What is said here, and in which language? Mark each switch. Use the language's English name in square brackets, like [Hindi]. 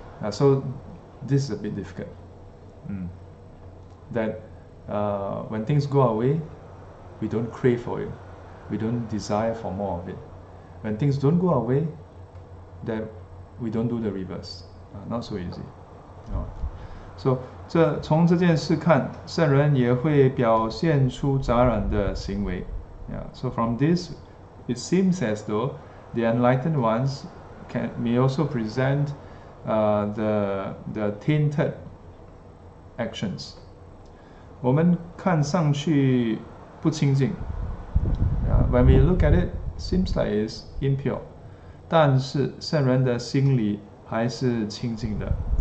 [English] So this is a bit difficult. That when things go our way, we don't crave for it, we don't desire for more of it. When things don't go our way, that we don't do the reverse. Not so easy. [Chinese] So 这从这件事看，圣人也会表现出杂染的行为。 [English] So from this, it seems as though the enlightened ones may also present the tainted actions. [Chinese] 我们看上去不清净。 [English] When we look at it, seems like it's impure. [Chinese] 但是圣人的心里还是清净的。